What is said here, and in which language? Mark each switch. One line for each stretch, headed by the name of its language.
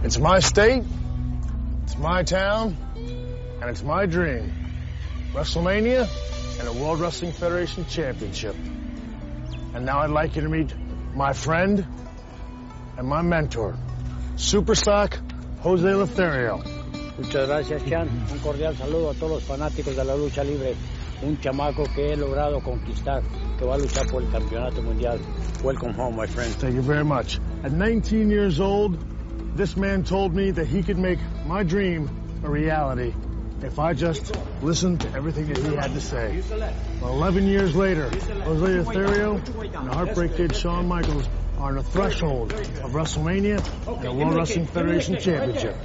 English: It's my state, it's my town, and it's my dream. WrestleMania and a World Wrestling Federation championship. And now I'd like you to meet my friend and my mentor, Super Sock Jose Lothario.
Spanish: Muchas gracias, Chan. Un cordial saludo a todos los fanáticos de la lucha libre. Un chamaco que he logrado conquistar, que va a luchar por el campeonato mundial.
English: Welcome home, my friend. Thank you very much. At 19 years old, this man told me that he could make my dream a reality if I just listened to everything that he had to say. Well, 11 years later, Jose Lothario and the Heartbreak Kid Shawn Michaels are on the threshold of WrestleMania and the World Wrestling Federation Championship.